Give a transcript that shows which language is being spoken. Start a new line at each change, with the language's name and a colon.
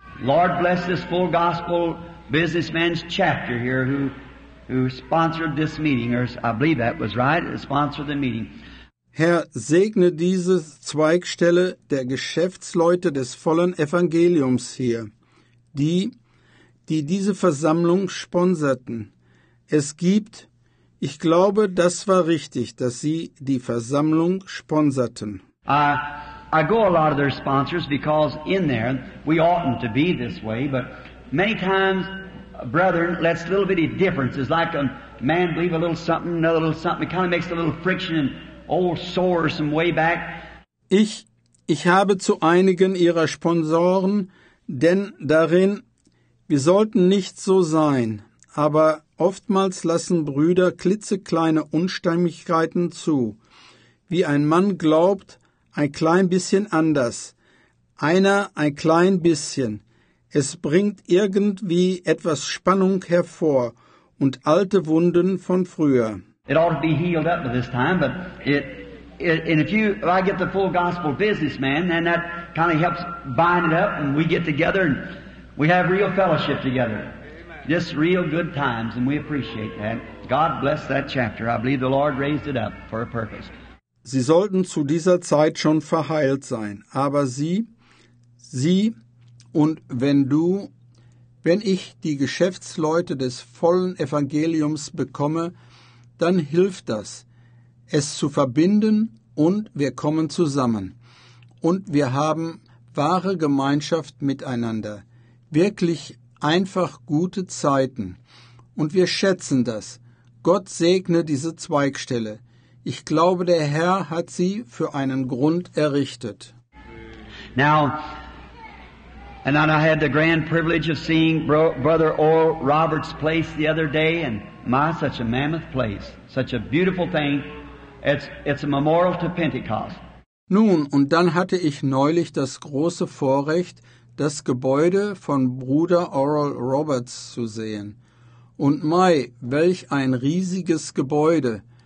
English: Lord bless this full gospel businessman's chapter here who sponsored this meeting, or I believe that was right, sponsored the meeting.
German: Herr, segne diese Zweigstelle der Geschäftsleute des vollen Evangeliums hier, die diese Versammlung sponserten. Es gibt, ich glaube, das war richtig, dass sie die Versammlung sponserten.
English: I go a lot of their sponsors because in there, we oughtn't to be this way, but many times, brethren, lets little bitty differences, like a man believe a little something, another little something, it kind of makes a little friction and old sores from way back.
German: Ich habe zu einigen ihrer Sponsoren, denn darin, wir sollten nicht so sein, aber oftmals lassen Brüder klitzekleine Unstimmigkeiten zu. Wie ein Mann glaubt, ein klein bisschen anders. Einer ein klein bisschen. Es bringt irgendwie etwas Spannung hervor und alte Wunden von früher.
English: It ought to be healed up by this time, but if I get the full gospel businessman, then that kind of helps bind it up, and we get together and we have real fellowship together. Amen. Just real good times, and we appreciate that. God bless that chapter. I believe the Lord raised it up for a purpose.
German: Sie sollten zu dieser Zeit schon verheilt sein, aber sie und wenn ich die Geschäftsleute des vollen Evangeliums bekomme, dann hilft das, es zu verbinden und wir kommen zusammen. Und wir haben wahre Gemeinschaft miteinander. Wirklich einfach gute Zeiten. Und wir schätzen das. Gott segne diese Zweigstelle. Ich glaube, der Herr hat sie für einen Grund errichtet.
English: Now, and then I had the grand privilege of seeing Brother Oral Roberts' place the other day, and my, such a mammoth place, such a beautiful thing. It's a memorial to Pentecost.
German: Nun, und dann hatte ich neulich das große Vorrecht, das Gebäude von Bruder Oral Roberts zu sehen. Und mei, welch ein riesiges Gebäude.